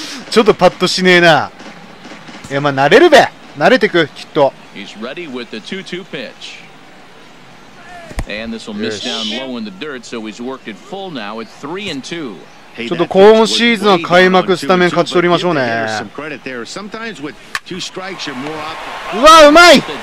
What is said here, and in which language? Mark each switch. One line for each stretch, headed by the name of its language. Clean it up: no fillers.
Japanese: ちょっとパッとしねえな。いや、まあ慣れるべ、慣れてく、きっと。
English: He's ready with the 2-2 pitch. And this will miss down low in the dirt, so he's worked it full now at 3-2.
Japanese: ちょっと今シーズンは開幕スタメン勝ち取りましょうね。うわ、うまい！